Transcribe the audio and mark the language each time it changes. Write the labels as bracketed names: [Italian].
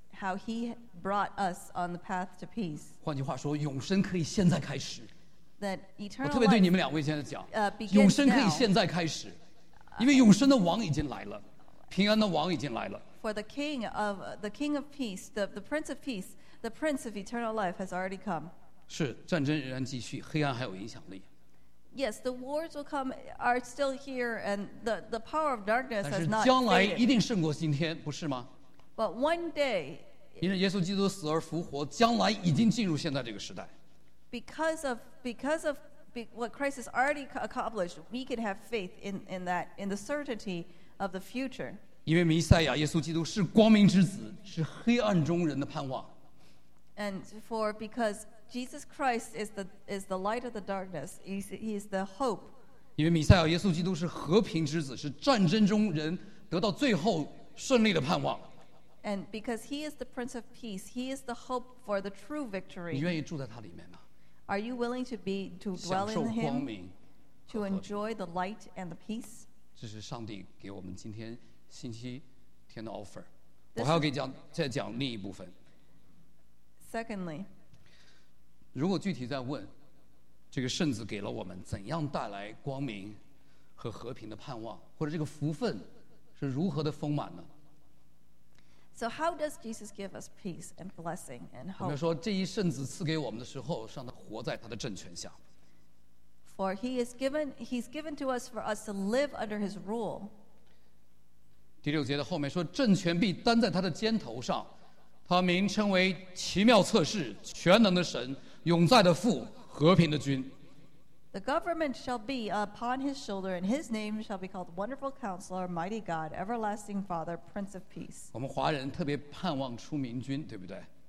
[English] How he brought us on the path to peace. [Chinese] 换句话说，永生可以现在开始。 [English] That eternal. [Chinese] 我特别对你们两位现在讲， [English] begins now. [Chinese] 永生可以现在开始，因为永生的王已经来了，平安的王已经来了。 [English] For the King of peace, the Prince of peace, the Prince of eternal life has already come. [Chinese] 是，战争仍然继续，黑暗还有影响力。 [English] Yes, the wars will come are still here, and the power of darkness has not faded. [Chinese] 但是将来一定胜过今天，不是吗？ [English] But one day, [Chinese] 因为耶稣基督死而复活，将来已经进入现在这个时代。 [English] Because of what Christ has already accomplished, we can have faith in the certainty of the future. [Chinese] 因为弥赛亚耶稣基督是光明之子，是黑暗中人的盼望。 [English] And for because Jesus Christ is the light of the darkness, he is the hope. [Chinese] 因为弥赛亚耶稣基督是和平之子，是战争中人得到最后顺利的盼望。 [English] And because he is the Prince of Peace, he is the hope for the true victory. [Chinese] 你愿意住在他里面吗？ [English] Are you willing to dwell in him? To enjoy the light and the peace? [Chinese] 这是上帝给我们今天星期天的 offer. 我还要给讲再讲另一部分。 [English] Secondly, [Chinese] 如果具体再问，这个圣子给了我们怎样带来光明和和平的盼望，或者这个福分是如何的丰满呢？ [English] So how does Jesus give us peace and blessing and hope? [Chinese] 我们说这一圣子赐给我们的时候，让他活在他的政权下。 [English] For he's given to us for us to live under his rule. [Chinese] 第六节的后面说，政权必担在他的肩头上，他名称为奇妙策士、全能的神、永在的父、和平的君。 [English] The government shall be upon his shoulder, and his name shall be called Wonderful Counselor, Mighty God, Everlasting Father, Prince of Peace. [Chinese] 我们华人特别盼望出名君，对不对？